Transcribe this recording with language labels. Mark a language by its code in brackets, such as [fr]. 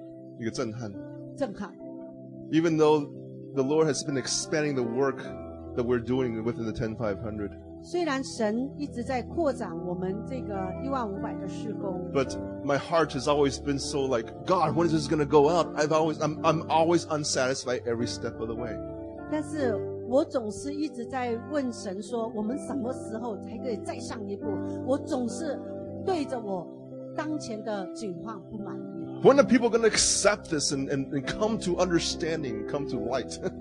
[zh] 这个信息真的是给我一个很大的震撼。 [en] Even though the Lord has been expanding the work that we're doing within the 10500. [zh] 虽然神一直在扩展我们这个15,500的事工, [en] but my heart has always been so like, God, when is this going to go out? I'm always unsatisfied every step of the way. [zh] 但是我总是一直在问神说，我们什么时候才可以再上一步？我总是对着我当前的景况不满意。 [en] When are people going to accept this and come to understanding, come to light?